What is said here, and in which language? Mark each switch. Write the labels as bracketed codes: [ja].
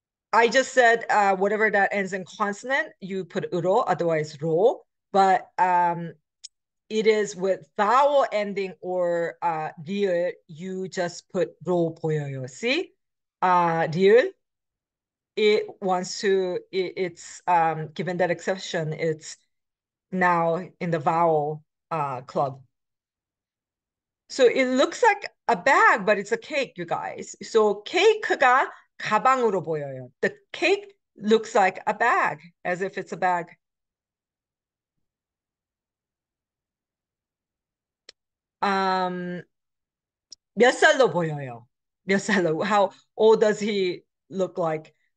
[en] I just said whatever that ends in consonant, you put 으로, otherwise 로, but it is with vowel ending or ㄹ, you just put [ko] 로 보여요. [en] See? ㄹ, it wants to, it's given that exception, it's now in the vowel club. So it looks like a bag, but it's a cake, you guys. [ko] So 케이크가 가방으로 보여요. [en] The cake looks like a bag, as if it's a bag. [ko] 몇 살로 보여요? 몇 살로? [en] How old does he look like?